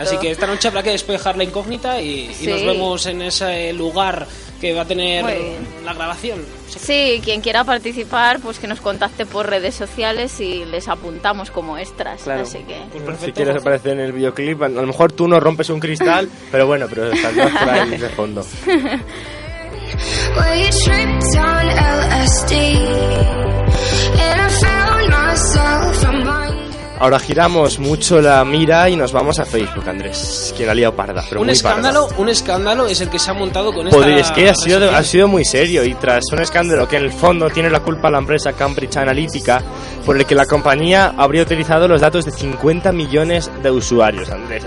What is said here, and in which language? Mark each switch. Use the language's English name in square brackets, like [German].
[Spanish] Así que esta noche habrá que despejar la incógnita y sí, nos vemos en ese lugar que va a tener la grabación. Sí, quien quiera participar, pues que nos contacte por redes sociales y les apuntamos como extras. Claro. Así que pues perfecto, si quieres aparecer en el videoclip, a lo mejor tú no rompes un cristal, pero bueno, pero saldrás por ahí de fondo. [English] Well, you tripped on LSD, and I found myself a mind. [Spanish] Ahora giramos mucho la mira y nos vamos a Facebook, Andrés, que la ha liado parda, pero un muy escándalo, parda. Un escándalo es el que se ha montado con esta... Es que ha sido muy serio, y tras un escándalo que en el fondo tiene la culpa la empresa Cambridge Analytica, por el que la compañía habría utilizado los datos de 50 millones de usuarios, Andrés.